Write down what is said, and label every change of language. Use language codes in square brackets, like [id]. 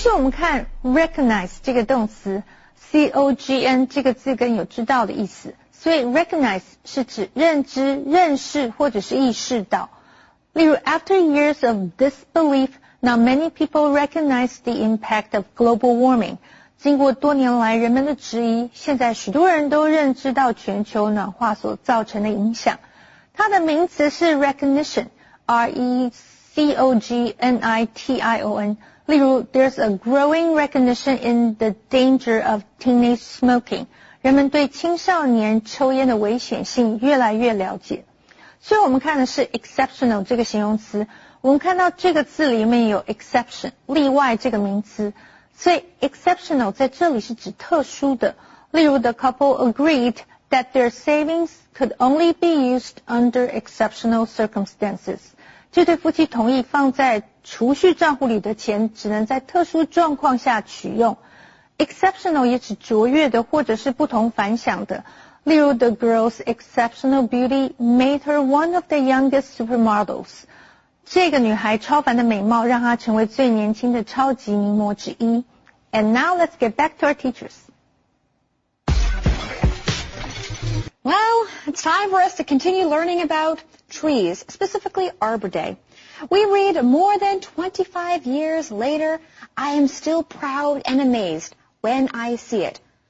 [zh] Recognize 这个动词C-O-G-N 这个字根有知道的意思，所以 recognize 是指认知、认识或者是意识到。例如 [en] after years of disbelief, now many people recognize the impact of global warming. [zh] 经过多年来人们的质疑，现在许多人都认知到全球暖化所造成的影响。它的名词是 [en] recognition, R-E-C-O-G-N-I-T-I-O-N, [zh] 例如 [en] there's a growing recognition in the danger of teenage smoking. [zh] 人们对青少年抽烟的危险性越来越了解。所以我们看的是 exceptional 这个形容词。我们看到这个字里面有 exception, 例外这个名词。所以 exceptional 在这里是指特殊的。 [en] 例如 the couple agreed that their savings could only be used under exceptional circumstances. [zh] 这对夫妻同意放在储蓄账户里的钱只能在特殊状况下取用。Exceptional 也指卓越的或者是不同凡响的。例如 [en] the girl's exceptional beauty made her one of the youngest supermodels. [zh] 这个女孩超凡的美貌让她成为最年轻的超级名模之一。 [en] And now let's get back to our teachers. Well, it's time for us to continue learning about trees, specifically Arbor Day. We read more than 25 years later, I am still proud and amazed when I see it.